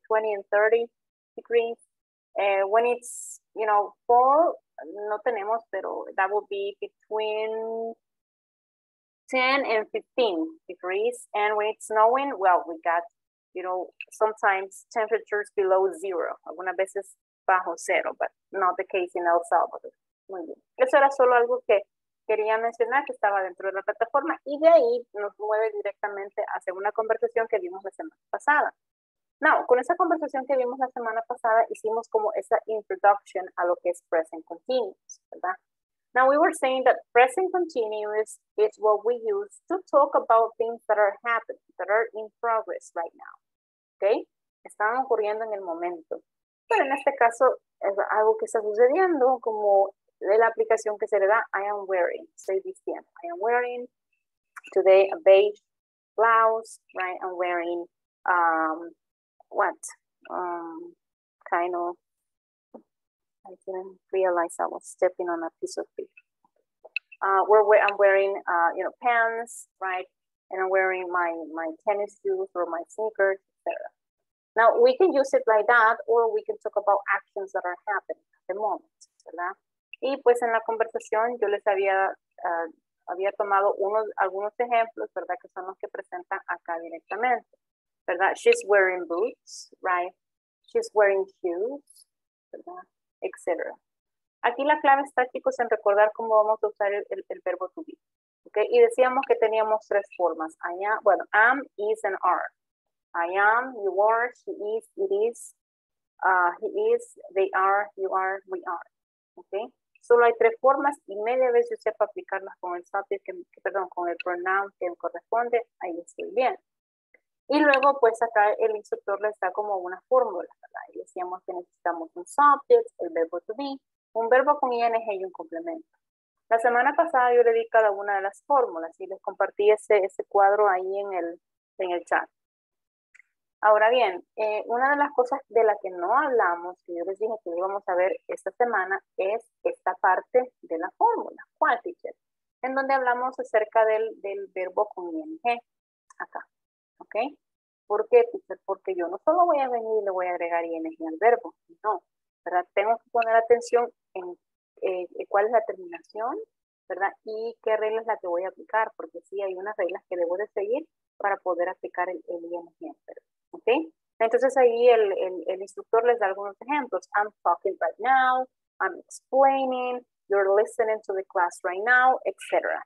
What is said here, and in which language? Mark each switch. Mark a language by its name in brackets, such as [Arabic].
[English] 20 and 30 degrees. When it's, you know, fall, [Spanish] no tenemos, [English] pero that will be between 10 and 15 degrees, and when it's snowing, well, we got, you know, sometimes temperatures below zero. [Spanish] Algunas veces bajo cero, [English] but not the case in El Salvador. [Spanish] Muy bien. Eso era solo algo que quería mencionar que estaba dentro de la plataforma, y de ahí nos mueve directamente hacia una conversación que vimos la semana pasada. Now, con esa conversación que vimos la semana pasada, hicimos como esa introduction a lo que es present continuous, ¿verdad? [English] Now, we were saying that present continuous is what we use to talk about things that are happening, that are in progress right now. [Spanish] Okay? Están ocurriendo en el momento. Pero en este caso, es algo que está sucediendo, como de la aplicación que se le da, [English] I am wearing, [Spanish] estoy vistiendo. [English] I am wearing today a beige blouse, right? I'm wearing, kind of. I didn't realize I was stepping on a piece of paper. I'm wearing, you know, pants, right? And I'm wearing my tennis shoes or my sneakers, etc. Now, we can use it like that, or we can talk about actions that are happening at the moment, ¿verdad? [Spanish] Y pues en la conversación yo les había tomado algunos ejemplos, ¿verdad? Que son los que presentan acá directamente, ¿verdad? [English] She's wearing boots, right? She's wearing shoes, [Spanish] ¿verdad? Etc. Aquí la clave está, chicos, en recordar cómo vamos a usar el verbo to be. ¿Okay? Y decíamos que teníamos tres formas. [English] Am, is, and are. I am, you are, she is, it is, he is, they are, you are, we are. ¿Okay? [Spanish] Solo hay tres formas y media vez yo sepa aplicarlas con el subject, con el pronoun que me corresponde, ahí estoy bien. Y luego, pues acá el instructor les da como una fórmula, ¿verdad? Y decíamos que necesitamos un subject, el verbo to be, un verbo con ing y un complemento. La semana pasada yo le di cada una de las fórmulas y les compartí ese cuadro ahí en el chat. Ahora bien, una de las cosas de la que no hablamos, que yo les dije que íbamos a ver esta semana, es esta parte de la fórmula, ¿cuál, teacher? En donde hablamos acerca del verbo con ing, acá. ¿Ok? ¿Por qué, teacher? Porque yo no solo voy a venir y le voy a agregar ing al verbo, no, ¿verdad? Tengo que poner atención en cuál es la terminación, ¿verdad? Y qué regla es la que voy a aplicar, porque sí hay unas reglas que debo de seguir para poder aplicar el ing al verbo, ¿ok? Entonces ahí el instructor les da algunos ejemplos. [English] I'm talking right now, I'm explaining, you're listening to the class right now, etc.